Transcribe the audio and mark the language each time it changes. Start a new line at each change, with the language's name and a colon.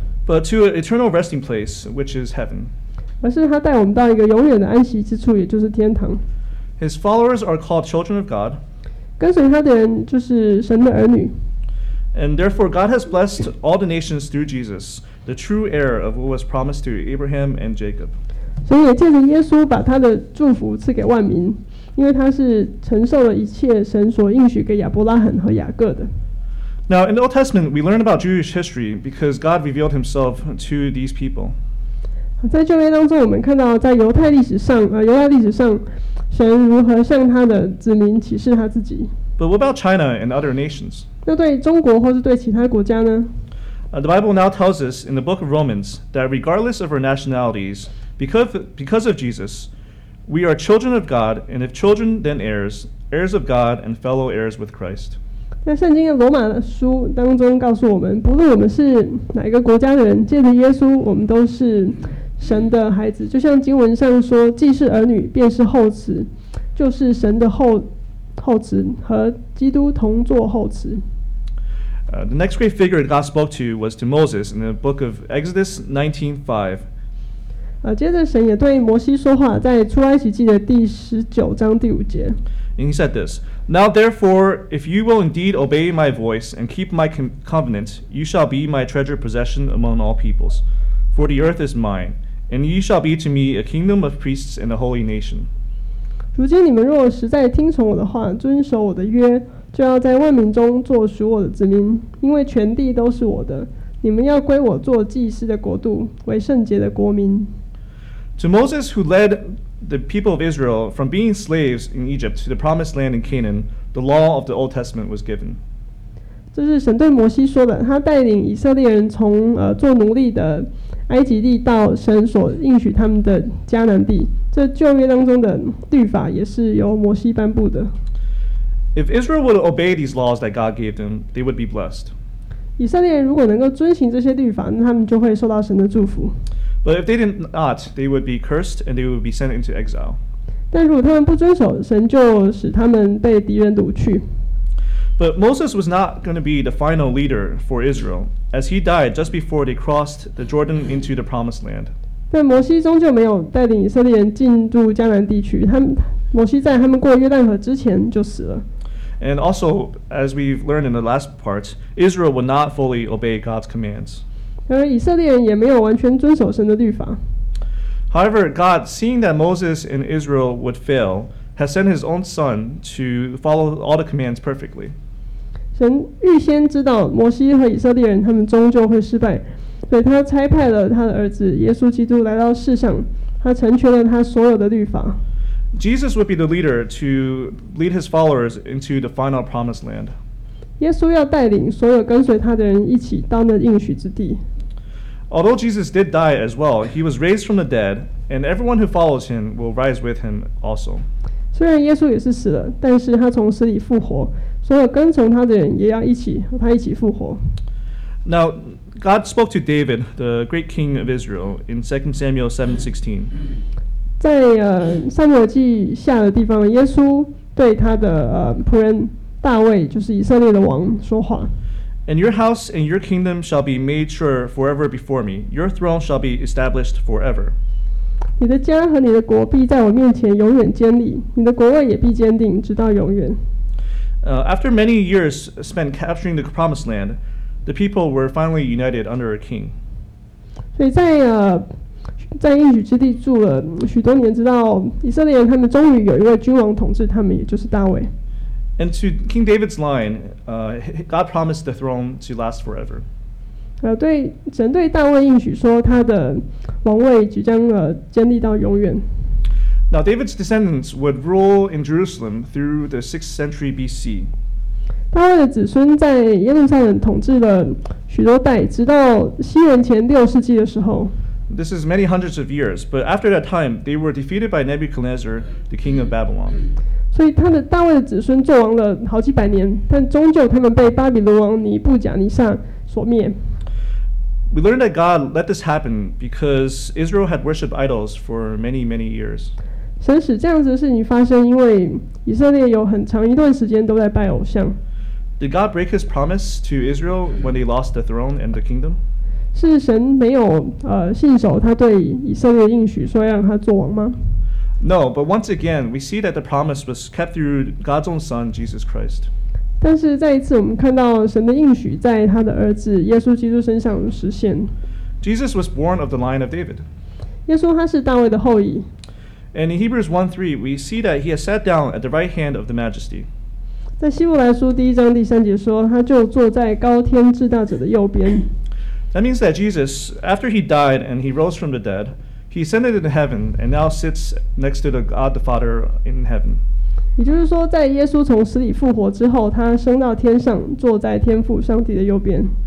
English: But to an eternal resting place, which is heaven.
Chinese: 而是他带我们到一个永远的安息之处，也就是天堂。
English: His followers are called children of God.
Chinese: 跟随他的人就是神的儿女。
English: And therefore, God has blessed all the nations through Jesus, the true heir of what was promised to Abraham and Jacob.
Chinese: 所以也借着耶稣把他的祝福赐给万民。因为他是承受了一切神所应许给亚伯拉罕和雅各的。
English: Now in the Old Testament, we learn about Jewish history because God revealed Himself to these people.
Chinese: 在旧约当中，我们看到在犹太历史上，犹太历史上，神如何向他的子民启示他自己。
English: But what about China and other nations?
Chinese: 那对中国或是对其他国家呢？
English: The Bible now tells us in the book of Romans that regardless of our nationalities, because of Jesus, we are children of God, and if children, then heirs, heirs of God and fellow heirs with Christ.
Chinese: 在圣经的罗马书当中告诉我们，不论我们是哪一个国家的人，借着耶稣，我们都是神的孩子。就像经文上说，既是儿女，便是后嗣，就是神的后嗣，和基督同作后嗣。
English: The next great figure God spoke to was to Moses in the book of Exodus 19:5.
Chinese: 接着神也对摩西说话，在出埃及记的第十九章第五节。
English: And he said this, Now therefore, if you will indeed obey my voice and keep my covenant, you shall be my treasured possession among all peoples. For the earth is mine, and you shall be to me a kingdom of priests and a holy nation.
Chinese: 如今你们若实在听从我的话，遵守我的约，就要在万民中做属我的子民，因为全地都是我的。你们要归我做祭司的国度，为圣洁的国民。
English: To Moses, who led the people of Israel from being slaves in Egypt to the promised land in Canaan, the law of the Old Testament was given.
Chinese: 这是神对摩西说的，他带领以色列人从做奴隶的埃及地到神所应许他们的迦南地。这旧约当中的律法也是由摩西颁布的。
English: If Israel would obey these laws that God gave them, they would be blessed.
Chinese: 以色列人如果能够遵行这些律法，那他们就会受到神的祝福。
English: But if they did not, they would be cursed and they would be sent into exile.
Chinese: 但如果他们不遵守，神就使他们被敌人掳去。
English: But Moses was not going to be the final leader for Israel, as he died just before they crossed the Jordan into the Promised Land.
Chinese: 但摩西终究没有带领以色列人进入迦南地区，摩西在他们过约旦河之前就死了。
English: And also, as we've learned in the last part, Israel would not fully obey God's commands.
Chinese: 而以色列人也没有完全遵守神的律法。
English: However, God, seeing that Moses and Israel would fail, has sent his own son to follow all the commands perfectly.
Chinese: 神预先知道摩西和以色列人他们终究会失败，所以他差派了他的儿子耶稣基督来到世上，他成全了他所有的律法。
English: Jesus would be the leader to lead his followers into the final promised land.
Chinese: 耶稣要带领所有跟随他的人一起到那应许之地。
English: Although Jesus did die as well, he was raised from the dead, and everyone who follows him will rise with him also.
Chinese: 虽然耶稣也是死了，但是他从死里复活，所有跟从他的人也要一起和他一起复活。
English: Now, God spoke to David, the great king of Israel, in 2 Samuel 7:16.
Chinese: 在撒母耳记下的地方，耶稣对他的仆人大卫，就是以色列的王说话。
English: And your house and your kingdom shall be made sure forever before me. Your throne shall be established forever.
Chinese: 你的家和你的国必在我面前永远坚立，你的国位也必坚定，直到永远。
English: After many years spent capturing the promised land, the people were finally united under a king.
Chinese: 所以在应许之地住了许多年，直到以色列人他们终于有一位君王统治他们，也就是大卫。
English: And to King David's line, God promised the throne to last forever.
Chinese: 对神对大卫应许说，他的王位即将建立到永远。
English: Now David's descendants would rule in Jerusalem through the 6th century BC.
Chinese: 大卫的子孙在耶路撒冷统治了许多代，直到西元前六世纪的时候。
English: This is many hundreds of years, but after that time, they were defeated by Nebuchadnezzar, the king of Babylon.
Chinese: 所以他的大卫的子孙做王了好几百年，但终究他们被巴比伦王尼布甲尼撒所灭。
English: We learned that God let this happen because Israel had worshipped idols for many, many years.
Chinese: 神使这样子的事情发生，因为以色列有很长一段时间都在拜偶像。
English: Did God break his promise to Israel when they lost the throne and the kingdom?
Chinese: 是神没有信守他对以色列应许说要让他做王吗？
English: No, but once again, we see that the promise was kept through God's own son, Jesus Christ.
Chinese: 但是再一次我们看到神的应许在他的儿子耶稣基督身上实现。
English: Jesus was born of the line of David.
Chinese: 耶稣他是大卫的后裔。
English: And in Hebrews 1:3, we see that he has sat down at the right hand of the majesty.
Chinese: 在希伯来书第一章第三节说，他就坐在高天至大者的右边。
English: That means that Jesus, after he died and he rose from the dead, He ascended into heaven and now sits next to the God the Father in heaven.
Chinese: 也就是说，在耶稣从死里复活之后，他升到天上，坐在天父上帝的右边。